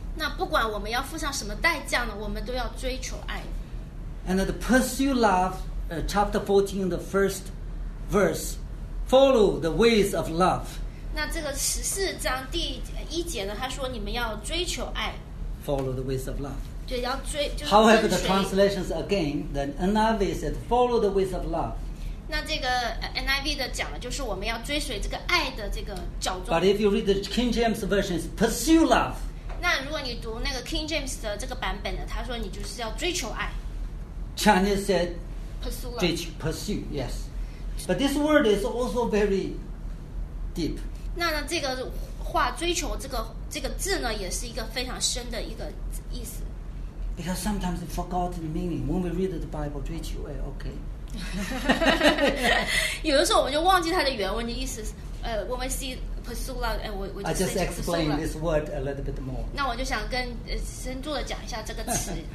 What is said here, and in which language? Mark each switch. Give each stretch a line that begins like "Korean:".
Chinese: 那不管我们要付上什么代价呢，我们都要追求爱。
English: And the pursue love, chapter 14, the first verse, follow the ways of love.
Chinese: 那这个十四章第一节呢，他说你们要追求爱。
English: Follow the ways of love.
Chinese: 对，要追，就是，
English: However, the translations again, the NIV said, follow the ways of love.
Chinese: 那这个 NIV 的讲的就是我们要追随这个爱的这个脚踪。
English: But if you read the King James version, it's pursue love.
Chinese: 那如果你读那个 King James 的这个版本呢，他说你就是要追求爱。
English: Chinese said, pursue love. Pursue, yes. But this word is also very deep.
Chinese: 那呢，这个话追求这个这个字呢，也是一个非常深的一个意思。
English: Because sometimes we forget the meaning when we read the Bible.
Chinese: 追求爱 ，okay. 有的时候我们就忘记它的原文的意思。
English: When we see pursue love, and we I just explain this word a little bit more.
Chinese: 那我就想跟深度的讲一下这个词。